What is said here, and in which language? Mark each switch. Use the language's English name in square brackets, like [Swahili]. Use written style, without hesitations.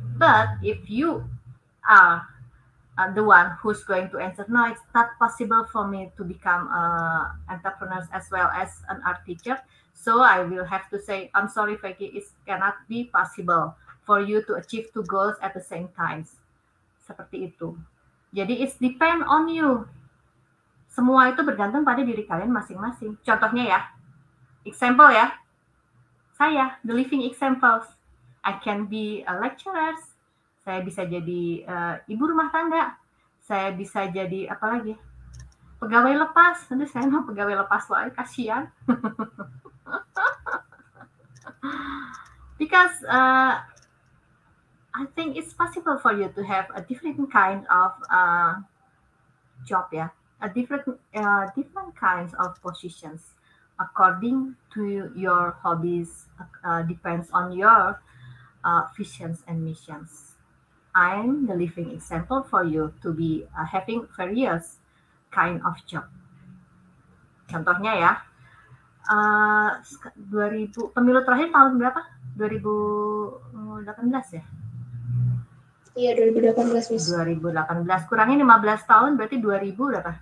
[English] But if you are the one who's going to answer, no, it's not possible for me to become an entrepreneur as well as an art teacher, so I will have to say, I'm sorry, Peggy, it cannot be possible for you to achieve two goals at the same time. [Indonesian] Seperti itu. Jadi, [English] it's depend on you. [Indonesian] Semua itu bergantung pada diri kalian masing-masing. Contohnya ya, [English] example ya. Saya, the living examples. I can be a lecturer. [Indonesian] Saya bisa jadi ibu rumah tangga. Saya bisa jadi apa lagi? Pegawai lepas. Aduh, saya mau pegawai lepas lagi, kasihan. [English] Because I think it's possible for you to have a different kind of job, ya. A different kinds of positions according to your hobbies, depends on your visions and missions. I'm the living example for you to be having various kind of job. [Indonesian] Contohnya ya, 2000 pemilu terakhir tahun berapa? 2018 ya. Iya, 2018, Miss. 2018 kurangin 15 tahun berarti 2000 berapa?